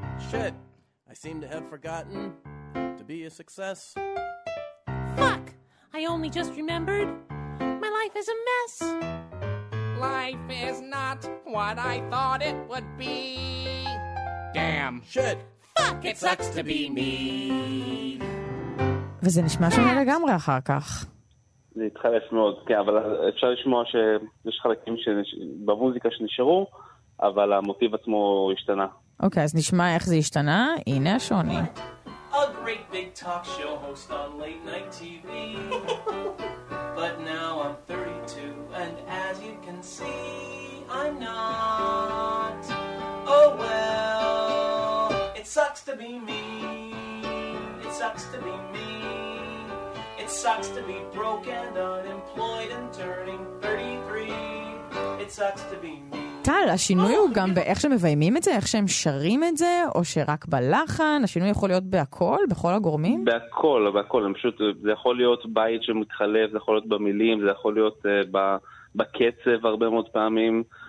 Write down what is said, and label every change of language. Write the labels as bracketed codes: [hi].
[en] Shit, I seem to have forgotten to be a success. Fuck! I only just remembered. My life is a mess. Life is not what I thought it would be. Damn. Shit. Fuck! It sucks to be me. [he] וזה נשמע שונה לגמרי אחר כך. זה התחלף מאוד, כן, אבל אפשר לשמוע שיש חלקים במוזיקה שנשארו, אבל המוטיב עצמו השתנה. אוקיי, אז נשמע איך זה השתנה. הנה השוני. [en] A great big talk show host on late night TV. But now I'm 32, and as you can see, I'm not. Oh well, it sucks to be me. It sucks to be me. It sucks to be broke and unemployed and turning 33. It sucks to be me. [he] טל, השינוי הוא גם באיך שמביימים את זה, איך שהם שרים את זה, או שרק בלחן, השינוי יכול להיות בהכל, בכל הגורמים? בהכל, בהכל. פשוט, זה יכול להיות בית שמתחלף, זה יכול להיות במילים, זה יכול להיות בקצב הרבה מאוד פעמים.